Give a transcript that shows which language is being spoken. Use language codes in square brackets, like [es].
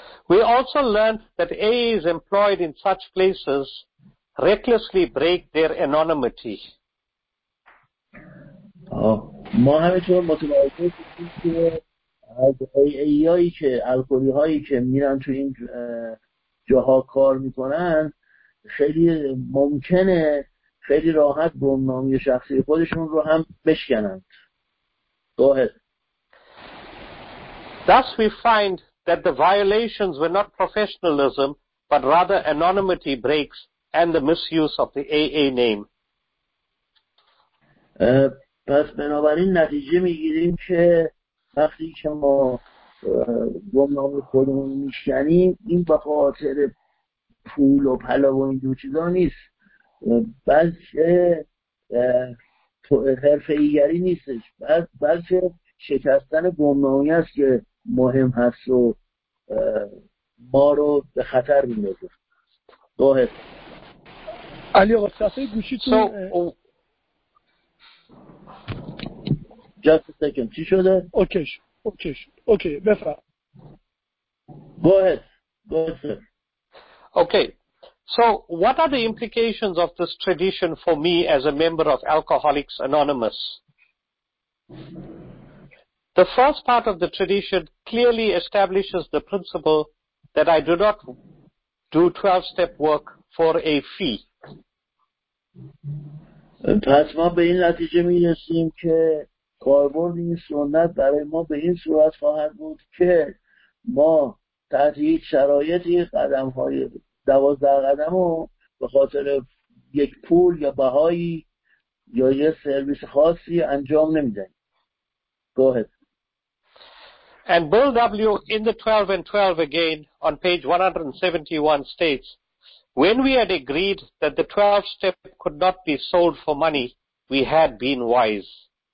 [en] We also learned that AAs employed in such places recklessly break their anonymity. [fa] ما همچنین متوجه شدیم که از AAهایی که الکلیهایی که میرن تو این جاها کار میکنن خیلی ممکنه خیلی راحت گمنامی شخصی خودشون رو هم بشکنند. باید. [en] Thus we find that the violations were not professionalism but rather anonymity breaks and the misuse of the AA name. [fa] پس بنابراین نتیجه میگیریم که وقتی که ما گمنام خودمون میشکنیم این به خاطر پول و پلا و این دو چیزا نیست، بلکه تو حرفه‌ای‌گری نیستش، بلکه شکستن گمنامی است که مهم هست و ما رو به خطر میندازه. علی آقا صفحه گوشیتون [en] Just a second. [fa] چی شده؟ اوکی بفرم. [en] Go ahead. Okay. So what are the implications of this tradition for me as a member of Alcoholics Anonymous? The first part of the tradition clearly establishes the principle that I do not do 12-step work for a fee. [fa] پس ما به این نتیجه می رسیم که کاربرد این سنت برای ما به این صورت خواهد بود که ما تحت هیچ شرایطی قدم های 12 قدم رو به خاطر یک پول یا بهایی یا یه سرویس خاصی انجام نمیدن. [en] Go ahead. And Bill W. in the 12 and 12 again on page 171 states, when we had agreed that the 12 step could not be sold for money, we had been wise.